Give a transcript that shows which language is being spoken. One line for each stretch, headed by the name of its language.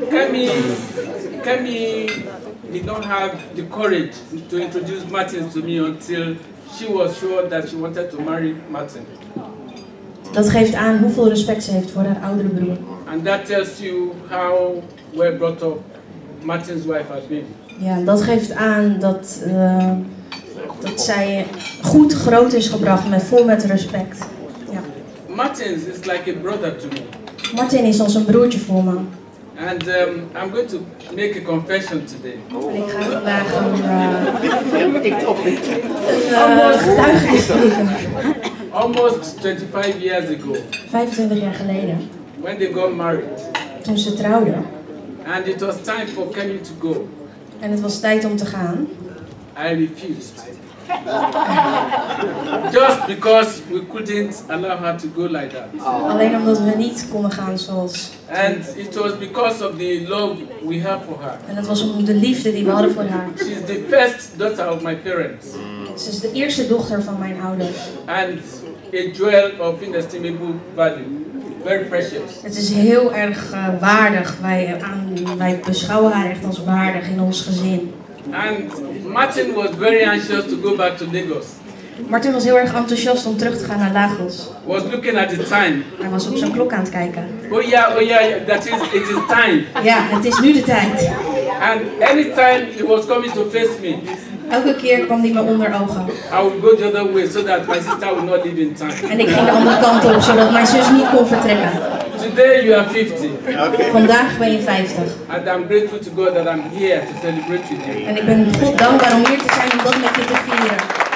English: Kemi did not have the courage to introduce Martin to me until she was sure that she wanted to marry Martin.
Dutch: Dat geeft aan hoeveel respect ze heeft voor haar oudere broer.
English: And that tells you how well brought up Martin's wife has been.
Dutch: Ja, dat geeft aan dat, dat zij goed groot is gebracht met vol met respect. Ja.
English: Martin is like a brother to me.
Dutch: Martin is als een broertje voor me.
English: And I'm going to make a confession today.
Dutch: En ik ga vandaag getuigenis geven.
English: Almost 25 years ago.
Dutch: 25 jaar geleden.
English: When they got married.
Dutch: Toen ze trouwden.
English: And it was time for Kenny to go.
Dutch: En het was tijd om te gaan.
English: I refused. Just because we couldn't allow her to go like that.
Dutch: Alleen omdat we niet konden gaan zoals.
English: And it was because of the love we have for her.
Dutch: En het was om de liefde die we hadden voor haar.
English: She is the first daughter of my parents.
Dutch: Ze is de eerste dochter van mijn ouders.
English: And a jewel of inestimable value. Very precious.
Dutch: Het is heel erg waardig. Wij beschouwen haar echt als waardig in ons gezin.
English: And Martin was very anxious to go back to Lagos.
Dutch: Martin was heel erg enthousiast om terug te gaan naar Lagos.
English: Was looking at the time.
Dutch: Hij was op zijn klok aan het kijken.
English: Oh yeah, that is it is time.
Dutch: Ja, het is nu de tijd.
English: And any time he was coming to face me.
Dutch: Elke keer kwam hij me onder ogen.
English: I would go the other way so that my sister would not leave in time.
Dutch: En ik ging de andere kant op zodat mijn zus niet kon vertrekken.
English: Today you are 50.
Dutch: Okay. Vandaag ben je 50.
English: And I'm grateful to God that I'm here to celebrate with you.
Dutch: En ik ben God dankbaar om hier te zijn om dat met je te vieren.